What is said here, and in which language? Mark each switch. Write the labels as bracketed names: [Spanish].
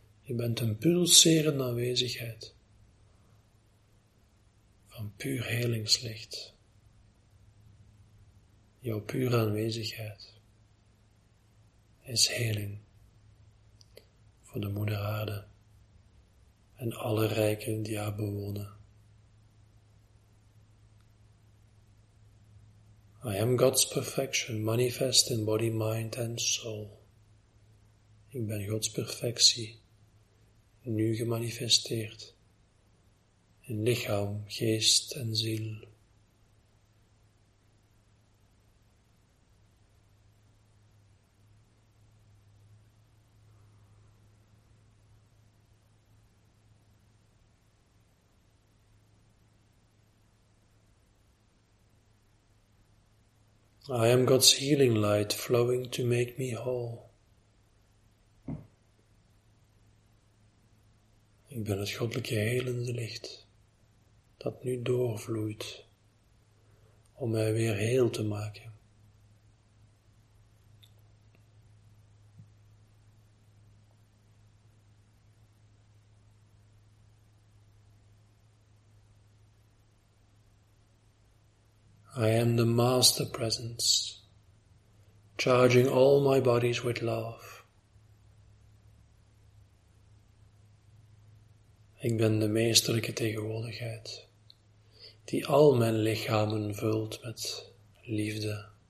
[Dutch] Je bent een pulserende aanwezigheid van puur helingslicht. Jouw pure aanwezigheid is heling voor de moeder aarde en alle rijken die haar bewonen. [English] I am God's perfection manifest in body, mind and soul. [Dutch] Ik ben God's perfectie. Nu gemanifesteerd in lichaam, geest en ziel. [English] I am God's healing light flowing to make me whole. [Dutch] Ik ben het goddelijke helende licht dat nu doorvloeit om mij weer heel te maken. [English] I am the master presence, charging all my bodies with love. [Dutch] Ik ben de meesterlijke tegenwoordigheid die al mijn lichamen vult met liefde.